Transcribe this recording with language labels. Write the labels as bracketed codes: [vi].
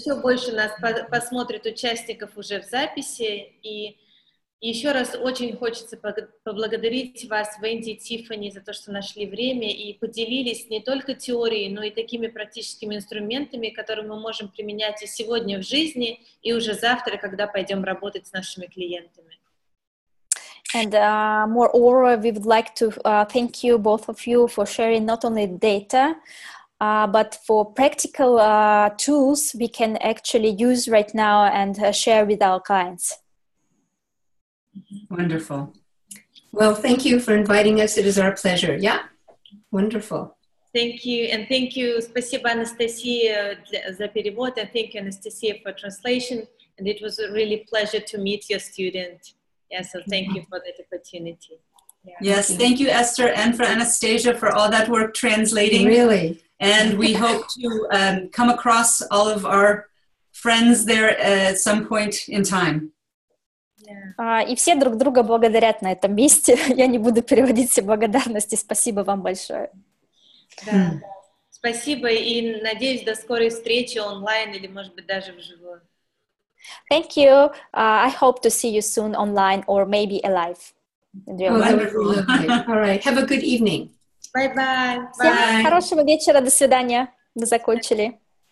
[ru] Еще больше нас посмотрит участников уже в записи и еще раз очень хочется поблагодарить вас, Венди и Тиффани, за то, что нашли время и поделились не только теорией, но и такими практическими инструментами, которые мы можем применять и сегодня в жизни, и уже завтра, когда пойдем работать с нашими клиентами. [en] And moreover, we would like to thank you, both of you, for sharing not only data, but for practical tools we can actually use right now and share with our clients. Wonderful. Well, thank you for inviting us. It is our pleasure. Yeah. Wonderful. Yeah. Thank you, and thank you. [ru] Спасибо, Анастасия, за перевод, [en] and thank you, Анастасия, for translation. And it was a really pleasure to meet your student. Yeah, so thank you for that opportunity. Yeah. Yes, thank you, Esther, and for Anastasia for all that work translating. Really. And we hope to come across all of our friends there at some point in time. [ru] И все друг друга благодарят на этом месте. Я не буду переводить все благодарности. Спасибо вам большое. Да. Спасибо, и надеюсь, до скорой встречи онлайн или, может быть, даже вживую. [en] Thank you. I hope to see you soon online or maybe alive. All right. Have a good evening. Bye-bye. [ru] Всем хорошего вечера. До свидания. Мы закончили. [en] Bye.